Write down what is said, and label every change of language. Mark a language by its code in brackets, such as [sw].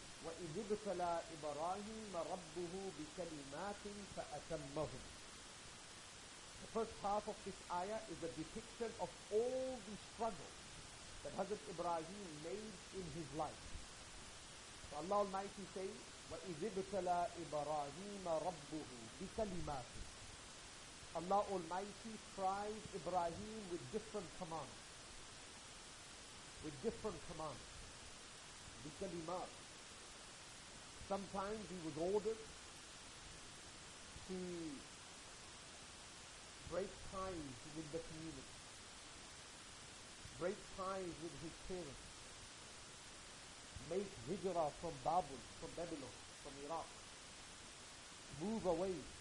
[ar] وإذ ابتلى إبراهيم ربه بكلمات فأتمهم. [en] The first half of this ayah is a depiction of all the struggles that Hazrat Ibrahim made in his life. So Allah Almighty says, [ar] وَإِذِ ابْتَلَى إِبْرَاهِيمَ رَبُّهُ بِكَلِمَاتٍ. [en] Allah Almighty tried Ibrahim with different commands. With different commands. [ar] بِكَلِمَاتٍ. [en] Sometimes he was ordered to break ties with the community, break ties with his parents, make hijrah from Babylon, from Babylon, from Iraq, move away.